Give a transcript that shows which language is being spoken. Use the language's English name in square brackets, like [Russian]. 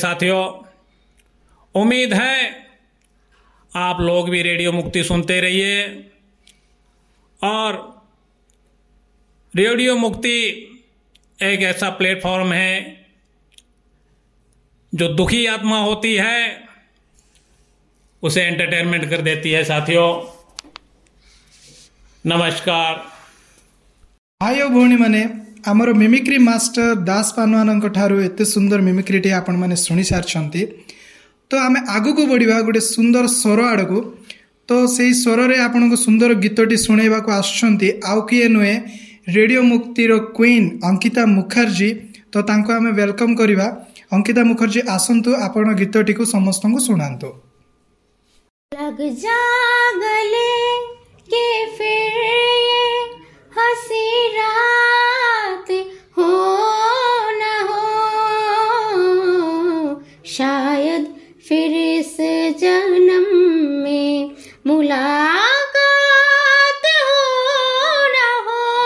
[Hindi] साथियों, उम्मीद है आप लोग भी रेडियो मुक्ति सुनते रहिए और रेडियो मुक्ति एक ऐसा प्लेटफॉर्म है जो दुखी आत्मा होती है उसे एंटरटेनमेंट कर देती है। साथियों, नमस्कार। [Odia] ଭାଇ ଓ ଭଉଣୀମାନେ, ଆମର ମିମିକ୍ରି ମାଷ୍ଟର ଦାସ ପାନୁଆନଙ୍କ ଠାରୁ ଏତେ ସୁନ୍ଦର ମିମିକ୍ରିଟି ଆପଣମାନେ ଶୁଣିସାରିଛନ୍ତି। ତ ଆମେ ଆଗକୁ ବଢ଼ିବା ଗୋଟେ ସୁନ୍ଦର ସ୍ୱର ଆଡ଼କୁ। ତ ସେଇ ସ୍ୱରରେ ଆପଣଙ୍କୁ ସୁନ୍ଦର ଗୀତଟି ଶୁଣାଇବାକୁ ଆସୁଛନ୍ତି ଆଉ କିଏ ନୁହେଁ, ରେଡ଼ିଓ ମୁକ୍ତିର କୁଇନ୍ ଅଙ୍କିତା ମୁଖାର୍ଜୀ। ତ ତାଙ୍କୁ ଆମେ ୱେଲକମ୍ କରିବା। ଅଙ୍କିତା ମୁଖାର୍ଜୀ, ଆସନ୍ତୁ, ଆପଣ ଗୀତଟିକୁ ସମସ୍ତଙ୍କୁ ଶୁଣାନ୍ତୁ। [Hindi] लग जागले के फिर ये हसी रात हो न हो, शायद फिर इस जन्म में मुलाकात हो न हो।